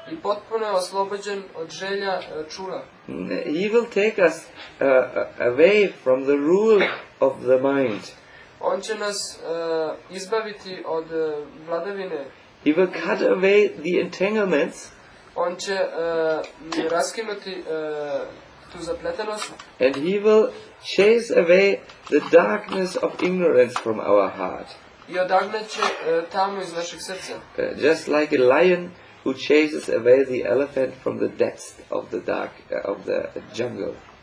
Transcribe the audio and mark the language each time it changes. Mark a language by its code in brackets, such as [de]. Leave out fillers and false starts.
[sr] I potpuno je oslobođen od želja čula. [en] He will take us away from the rule of the mind. [sr] On će nas izbaviti od vladavine. [en] He will cut away the entanglements. [sr] On će raskinuti tu zapletenost. [en] And he will chase away the darkness of ignorance from our heart. [sr] I odagnat će tamu iz našeg srca. [en] Just like a lion who chases away the elephant from the depths of the dark of the jungle.